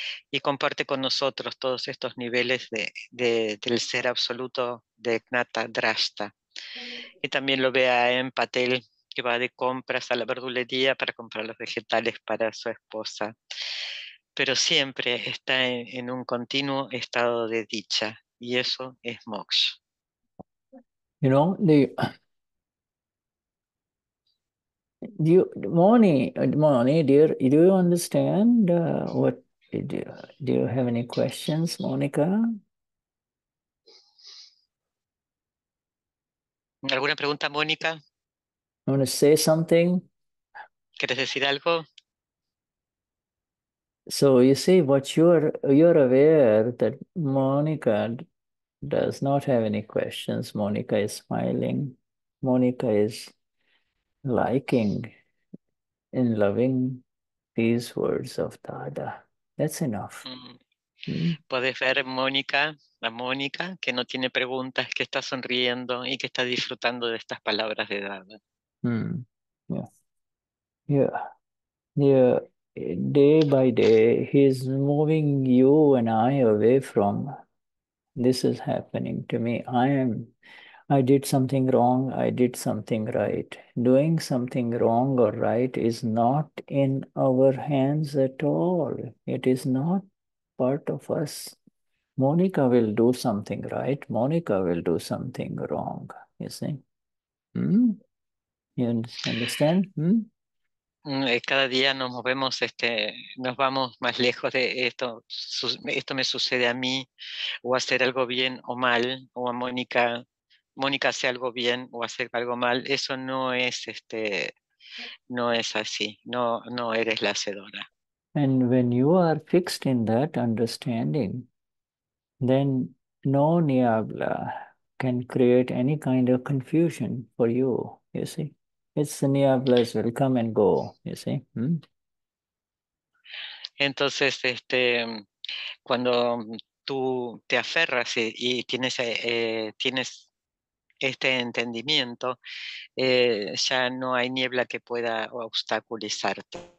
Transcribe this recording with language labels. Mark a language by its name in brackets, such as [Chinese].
[Spanish] Y comparte con nosotros todos estos niveles del ser absoluto de Jnata Drashta. Y también lo ve a M. Patel, que va de compras a la verdulería para comprar los vegetales para su esposa. Pero siempre está en un continuo estado de dicha. Y eso es moksha. [English] You know, Moni, dear, do you understand what? Do you have any questions, Monica? [Spanish] ¿Alguna pregunta, Monica? [English] Want to say something? [Spanish] ¿Quieres decir algo? [English] So you see, what you're aware that Monica does not have any questions. Monica is smiling. Monica is liking and loving these words of Dada. That's enough. [Spanish] Puedes ver Mónica, la Mónica, que no tiene preguntas, que está sonriendo y que está disfrutando de estas palabras de Dada. [English] Day by day, he's moving you and I away from this is happening to me. I did something wrong, I did something right. Doing something wrong or right is not in our hands at all. It is not part of us. Monica will do something right, Monica will do something wrong, you see? You understand? [Spanish] Cada día nos movemos, nos vamos más lejos de esto. Esto me sucede a mí, o hacer algo bien o mal, o a Mónica. Mónica hace algo bien o hace algo mal, eso no es no es así, no eres la hacedora. [English] And when you are fixed in that understanding, then no niabla can create any kind of confusion for you, you see. It's the niablas will come and go, you see. [Spanish] Entonces cuando tú te aferras y tienes tienes este entendimiento, ya no hay niebla que pueda obstaculizarte.